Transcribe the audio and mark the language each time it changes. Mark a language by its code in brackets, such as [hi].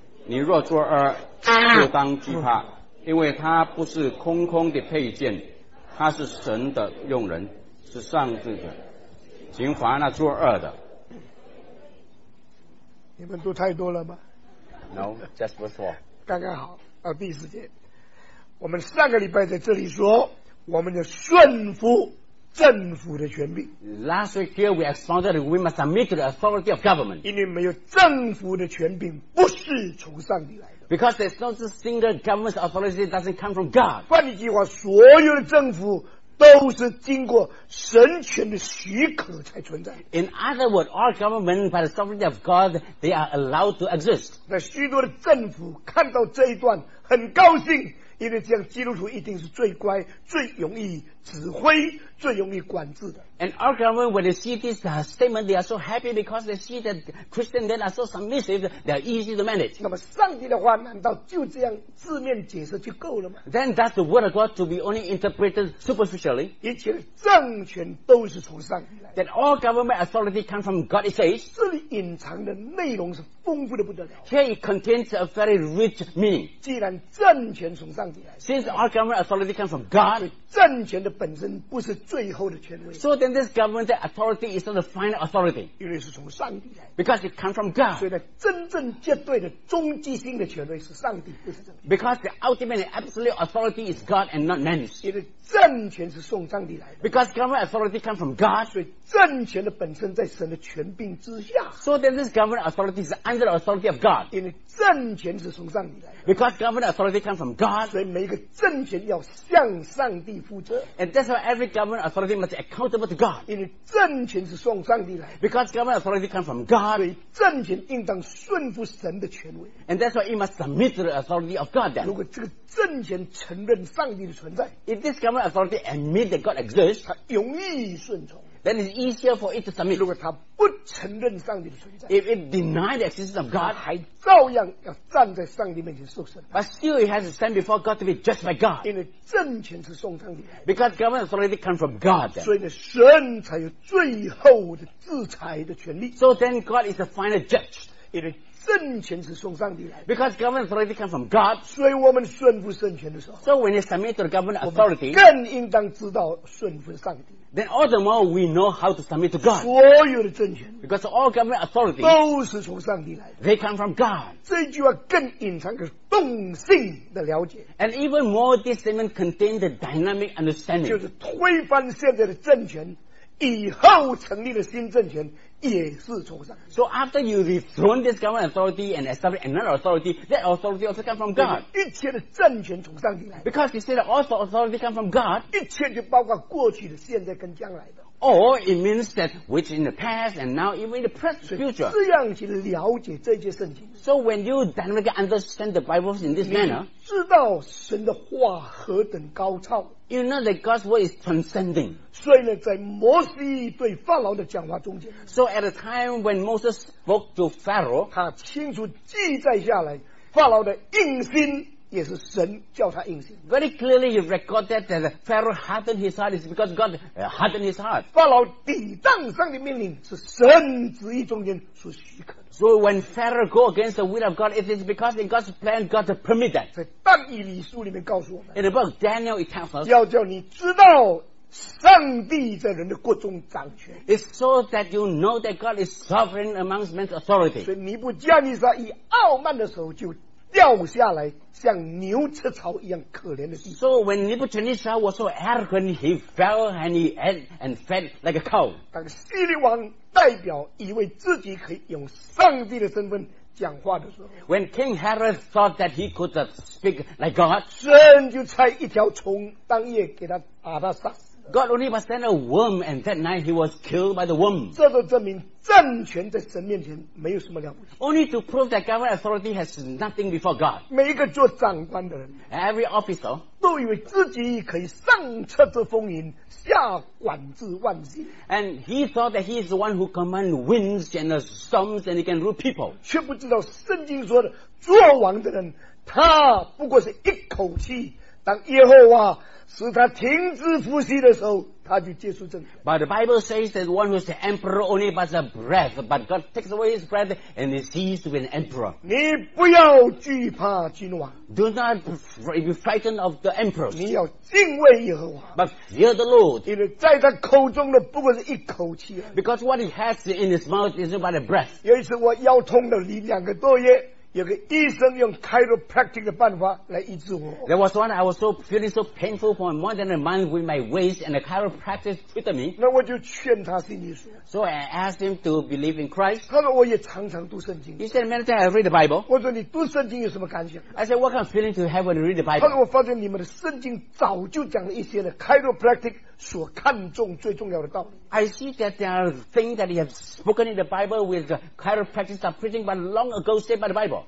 [zh] 你若作恶就当惧怕，因为他不是空空的佩剑，他是神的用人，是上帝的，刑罚那作恶的。你们读太多了吗？ [en] No, just verse 4. [zh] 刚刚好到第四节。我们上个礼拜在这里说我们要顺服政府的权柄。 [en] Last week here we expounded we must submit to the authority of government. [zh] 因为没有政府的权柄不是从上帝来的。 [en] Because there's no single government authority doesn't come from God. [zh] 换一句话，所有的政府都是经过神权的许可才存在。 [en] In other words, all government by the sovereignty of God, they are allowed to exist. [zh] 那许多的政府看到这一段很高兴，因为这样基督徒一定是最乖、最容易指挥、最容易管制的。 [en] And all government, when they see this statement, they are so happy because they see that Christians then are so submissive, they are easy to manage. [zh] 那么上帝的话难道就这样字面解释就够了吗？ [en] Then that's the word of God to be only interpreted superficially. [zh] 一切政权都是从上帝来的。 [en] That all government authority comes from God, it says. [zh] 这里隐藏的内容是丰富的不得了。 [en] Here it contains a very rich meaning. [zh] 既然政权从上帝来的。 [en] Since all government authority comes from God. [zh] 政权的本身不是最后的权威。 [en] So then this government authority is not the final authority. [zh] 因为是从上帝来。 [en] Because it comes from God. [zh] 所以呢，真正绝对的终极性的权威是上帝，不是政权。 [en] Because the ultimate absolute authority is God and not man. [zh] 因为政权是从上帝来的。 [en] Because government authority comes from God. [zh] 所以政权的本身在神的权柄之下。 [en] So then this government authority is under the authority of God. [zh] 因为政权是从上帝来的。 [en] Because government authority comes from God. [zh] 所以每一个政权要向上帝负责。 [en] And that's why every government authority must be accountable to God. [zh] 因为政权是从上帝来的。 [en] Because government authority comes from God. [zh] 所以政权应当顺服神的权威。 [en] And that's why it must submit to the authority of God then. [zh] 如果这个政权承认上帝的存在。 [en] If this government authority admit that God exists. [zh] 它容易顺从。 [en] Then it's easier for it to submit. [zh] 如果它不承认上帝的存在。 [en] If it deny the existence of God. [zh] 它还照样要站在上帝面前受审。 [en] But still it has to stand before God to be judged by God. [zh] 因为政权是从上帝来的。 [en] Because government authority comes from God. [zh] 所以呢，神才有最后的制裁的权利。 [en] So then God is the final judge. [zh] 因为政权是从上帝来的。 [en] Because government authority comes from God. [zh] 所以我们顺服政权的时候。 [en] So when you submit to the government authority. [zh] 我们更应当知道顺服上帝。 [en] Then all the more we know how to submit to God. [zh] 所有的政权 [en] because all government authority [zh] 都是从上帝来的。 [en] They come from God. [zh] 这句话更隐藏个动性的了解。 [en] And even more, this statement contains the dynamic understanding. [zh] 就是推翻现在的政权，以后成立的新政权也是从上帝。 [en] So after you dethrone this government authority and establish another authority, that authority also comes from God. [zh] 一切的政权从上帝来。 [en] Because he said that all authority comes from God. [zh] 一切就包括过去的、现在跟将来的。 [en] Or it means that which in the past and now even in the present future. [zh] 这样去了解这些圣经。 [en] So when you dynamically understand the Bible in this manner, [zh] 知道神的话何等高超。 [en] You know that God's word is transcending. [zh] 所以呢，在摩西对法老的讲话中间。 [en] So at a time when Moses spoke to Pharaoh, [zh] 他清楚记载下来，法老的硬心也是神叫他硬心。 [en] Very clearly you record that Pharaoh hardened his heart is because God hardened his heart. [zh] 法老抵挡上帝命令是神旨意中间所许可。 [en] So when Pharaoh go against the will of God, it is because in God's plan, God to permit that. [zh] 在但以理书里面告诉我们。 [en] In the book of Daniel, it tells us. [zh] 要叫你知道上帝在人的国中掌权。 [en] It's so that you know that God is sovereign amongst men's authority. [zh] 所以尼布加尼撒以傲慢的手就掉下来，像牛吃草一样可怜的地。 [en] So when Nebuchadnezzar was so arrogant, he fell and fed like a cow. [zh] 当西律王代表以为自己可以用上帝的身份讲话的时候 [en] ，When King Herod thought that he could speak like God, [zh] 神就差一条虫当夜给他把他杀死。 [en] God only was sent a worm, and that night he was killed by the worm. [zh] 这就证明政权在神面前没有什么了不起。 [en] Only to prove that government authority has nothing before God. [zh] 每一个做长官的人 [en] ，Every officer [zh] 都以为自己可以上策之风云，下管制万心。 [en] And he thought that he is the one who commands winds and the storms, and he can rule people. [zh] 却不知道圣经说的做王的人，他不过是一口气。当耶和华使他停止呼吸的时候，他就结束政权。 [en] But the Bible says that one who is the emperor only has a breath, but God takes away his breath and he ceases to be an emperor. [zh] 你不要惧怕君王。 [en] Do not be frightened of the emperors. [zh] 你要敬畏耶和华。 [en] But fear the Lord. [zh] 因为在他口中的不过是一口气。 [en] Because what he has in his mouth is but a breath. [zh] 有一次我腰痛了两个多月。有个医生用 chiropractic 的办法来医治我。 [en] There was one I was so feeling so painful for more than a month with my waist, and a chiropractor treated me. [zh] 那我就劝他信耶稣。 [en] So I asked him to believe in Christ. [zh] 他说我也常常读圣经。 [en] He said, many times I read the Bible. [zh] 我说你读圣经有什么感想 [en] ？I said, what kind of feeling to have when you read the Bible? [zh] 他说我发现你们的圣经早就讲了一些的 chiropractic 所看重最重要的道理。 [en] I see that there are things that you have spoken in the Bible with the chiropractors are preaching, but long ago said by the Bible.